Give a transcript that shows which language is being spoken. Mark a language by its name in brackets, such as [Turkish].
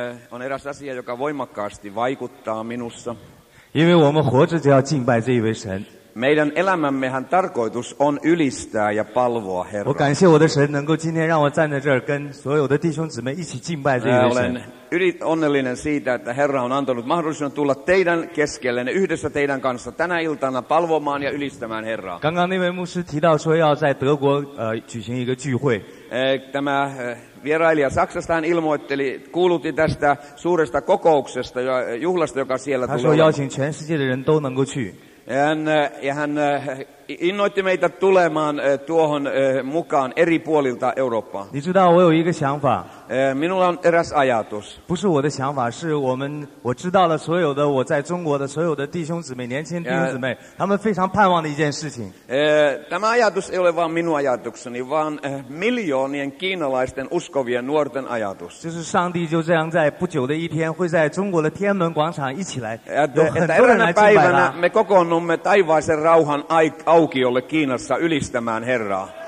[Finnish] On eräs asia, joka voimakkaasti vaikuttaa minussa. [Chinese] 因为我们活着就要敬拜这一位神。 [Finnish] Meidän elämämmehän tarkoitus on ylistää ja palvoa Herraa. [Chinese] 我感谢我的神能够今天让我站在这儿跟所有的弟兄姊妹一起敬拜这位神。 [Finnish] Olen onnellinen siitä, että Herra on antanut mahdollisuuden tulla teidän keskelle yhdessä teidän kanssa tänä iltana palvomaan ja ylistämään Herraa. [Chinese] 刚刚那位牧师提到说要在德国举行一个聚会。 [Finnish] Tämä vierailija Saksasta hän ilmoitteli, kuulutti tästä suuresta kokouksesta ja juhlasta, joka siellä tulee. [Chinese] 他说邀请全世界的人都能够去。 [Finnish] Hän innoitti meitä tulemaan tuohon mukaan eri puolilta Eurooppaa. [Chinese] 你知道我有一个想法。 [Finnish] Minulla on eräs ajatus. [Chinese] 不是我的想法，是我知道了所有的我在中国的所有的弟兄姊妹，年轻弟兄姊妹，他们非常盼望的一件事情。 [Finnish] Tämä ajatus ei ole vain minun ajatukseni, vaan miljoonien kiinalaisten uskovien nuorten ajatus. [Chinese] 就是上帝就这样在不久的一天会在中国的天安门广场一起来，有很多人来敬拜他。 [Finnish] Eräänä päivänä me kokoonnumme taivaisen rauhan aukiolle Kiinassa ylistämään Herraa.